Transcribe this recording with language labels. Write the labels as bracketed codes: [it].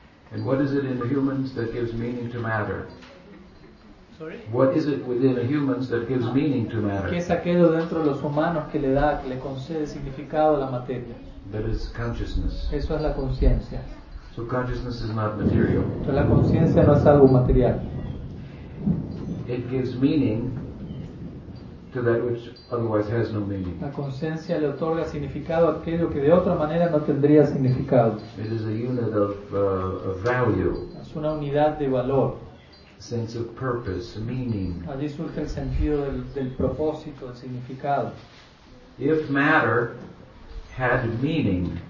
[en] And what is it in the humans that gives meaning to matter? Sorry? What is it within the humans that gives meaning to matter? [es] ¿Qué es aquello dentro de los humanos que le da, que le concede significado a la materia? [en] That is consciousness. [es] Eso es la conciencia. [en] So consciousness is not material. [es] Entonces la conciencia no es algo material. [en] It gives meaning to that which otherwise has no meaning. [es] La conciencia le otorga significado a aquello que de otra manera no tendría significado. [en] It is a unit of value. [es] Es una unidad de valor. [en] Sense of purpose, meaning. [es] Allí surge el sentido del propósito, el significado. [en] If matter had meaning,